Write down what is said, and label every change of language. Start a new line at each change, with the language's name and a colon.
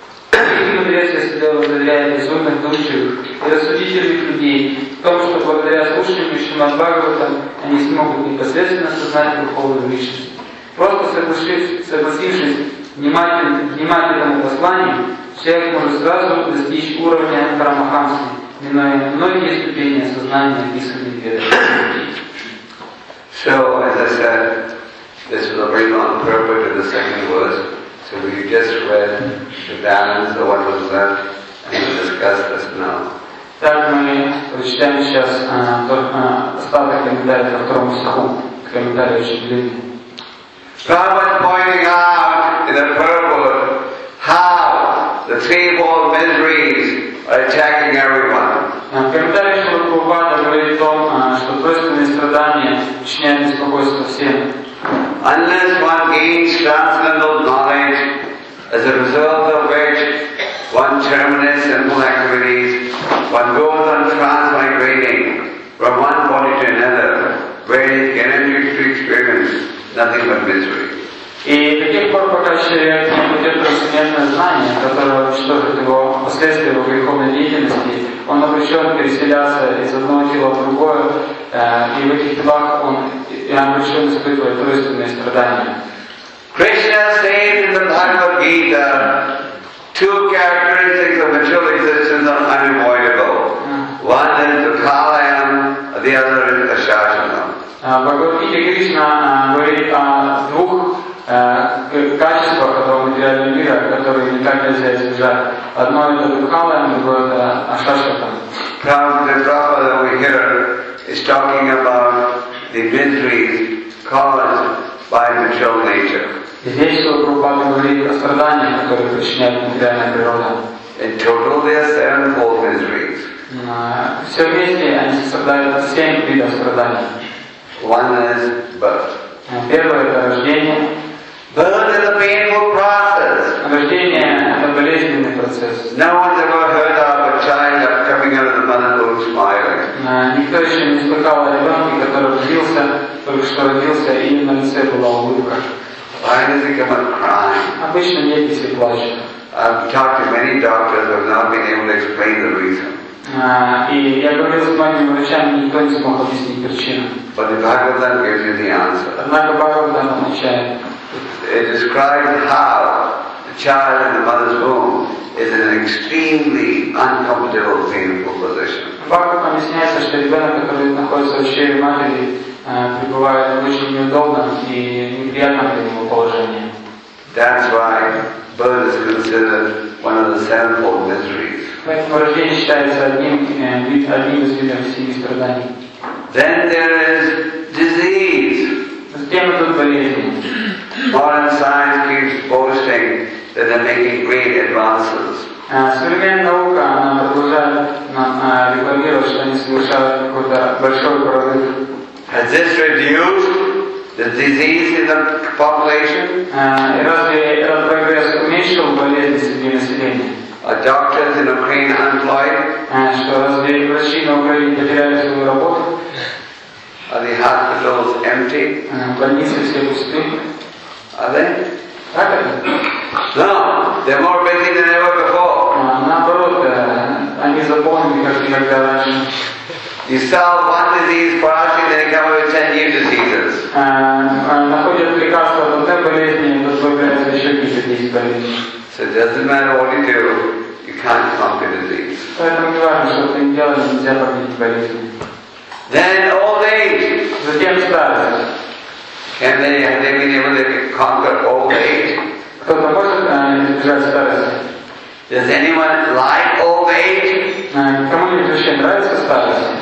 Russian: Такие мудрецы Ясадева заверяют безумных душевных и рассудительных людей в том, что благодаря слушанию Шримад Бхагаватам они смогут непосредственно осознать Верховную Личность. Просто согласившись внимательному посланию, человек может сразу достичь уровня Парамахамсы, многие ступени осознания исходят из этого.
English: So, as I said, this was a very long purport of the second verse. So we just read the balance of what was left and we'll discuss this now.
Russian: Так мы прочитаем сейчас только остаток комментария ко второму стиху. Комментарий очень длинный.
English: Prabhupada pointing out in the purport how the threefold miseries are attacking everyone.
Russian: Комментарий Прабхупада говорит о том, что тройственные страдания причиняют беспокойство всем.
English: Unless one gains transcendental knowledge, as a result of which one terminates sinful activities, one goes on transmigrating from one body to another, where he can enter to experience nothing but misery.
Russian: И до тех пор, пока человек не будет трансцендентное знание, которое уничтожит его последствия его греховной деятельности, он обречен переселяться из одного тела в другое, и в этих телах он обречен испытывать тройственные страдания.
English: Кришна says in the Bhagavad Gita, two characteristics of material existence are unavoidable. One is the kalayam, the other is the shashanam.
Russian: Bhagavad Gita Krishna говорит о двух качество которого материального мира, которое никак нельзя избежать. Одно это Духалаем, другое это Ашашатам.
English: Prabhupada over here is talking about the miseries caused by material nature.
Russian: Здесь вот Прабхупада говорит о страданиях, которые причиняет материальная природа.
English: In total there are sevenfold miseries.
Russian: Все вместе они составляют семь видов страданий.
English: One is birth.
Russian: Первое это рождение.
English: Birth is a painful process.
Russian: Рождение – это болезненный процесс.
English: No one's ever heard of a child coming out of the mother's womb smiling.
Russian: Никто еще не слыхал о ребенке, который родился, только что родился, и на лице была улыбка.
English: Why does he come out crying?
Russian: Обычно дети все плачут.
English: I've talked to many doctors who have not been able to explain the reason.
Russian: И я говорил с многими врачами, никто не смог объяснить причину.
English: But the Bhagavatam gives you the answer.
Russian: Однако Бхагаватам отвечает.
English: It describes how the child in the mother's womb is in an extremely uncomfortable, painful position.
Russian: Бхагаватам объясняется, что ребенок, который находится в чреве матери, пребывает в очень неудобном и неприятном для него положении.
English: That's why birth is considered one of the sevenfold miseries.
Russian: Поэтому рождение считается одним из видов семи страданий.
English: Then there is disease.
Russian: Затем тут болезнь.
English: Modern science keeps boasting that they're making great advances.
Russian: Современная наука, она продолжает рекламировать, что они совершают какой-то большой прорыв.
English: Has this reduced the disease in the population?
Russian: Разве прогресс уменьшил болезнь среди населения?
English: Are doctors in Ukraine unemployed?
Russian: Что разве врачи на Украине потеряли свою работу?
English: Are the hospitals empty?
Russian: Больницы все пусты.
English: Are they?
Russian: Так это.
English: No, they're more busy than ever before.
Russian: Наоборот, они заполнены, как никогда раньше.
English: You solve one disease for us, and they come with 10 new diseases.
Russian: Находят лекарства от одной болезни, и тут появляются еще какие-то 10 болезней.
English: So it doesn't matter what you do, you can't conquer disease.
Russian: Поэтому не важно, что ты не делаешь, нельзя победить болезни.
English: Then old age.
Russian: Затем старость.
English: And they have they been able to conquer old age?
Russian: Кто-то может избежать старости?
English: Does anyone like old age?
Russian: Кому-нибудь вообще нравится старость?